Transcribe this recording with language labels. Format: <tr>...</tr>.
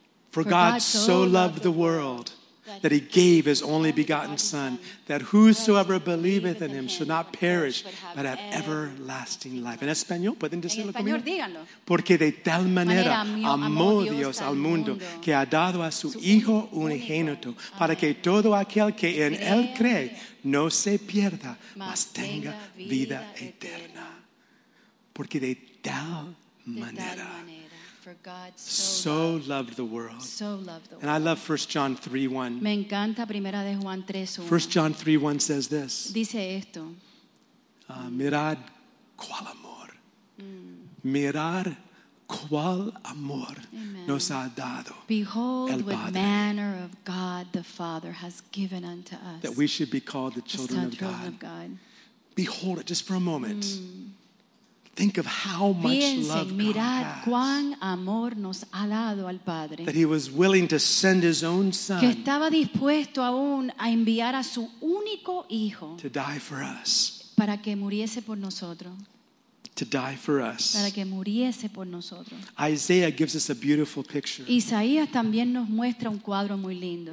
<en>For God so loved the world that he gave his only begotten Son, that whosoever believeth in him should not perish, but have everlasting life.</en> <es>En español, pueden decirlo conmigo. Porque de tal manera amó Dios al mundo que ha dado a su Hijo unigénito, para que todo aquel que en él cree no se pierda, mas tenga vida eterna. Porque de tal manera.</es> <en>God so loved the world. And I love 1 John 3:1.</en> <es>Me encanta Primera de Juan 3:1.</es> <en>1 John 3:1 says this.</en> <es>Dice esto. Mirad cuál amor. Mm. Mirad cuál amor. Amen. Nos ha dado.</es> <en>Behold</en> <es>el Padre.</es> <en>What manner of God the Father has given unto us. That we should be called the children of God. Of God. Behold it just for a moment. Mm. Think of how much</en> <es>piense,</es> <en>love</en> <es>mirad</es> <en>God has.</en> <es>Cuán amor nos ha dado al Padre.</es> <en>That he was willing to send his own son.</en> <es>Que estaba dispuesto aún a enviar a su único hijo.</es> <en>To die for us.</en> <es>Para que muriese por nosotros.</es> <en>To die for us.</en> <es>Para que muriese por nosotros.</es> <en>Isaiah gives us a beautiful picture.</en> <es>Isaías también nos muestra un cuadro muy lindo.</es>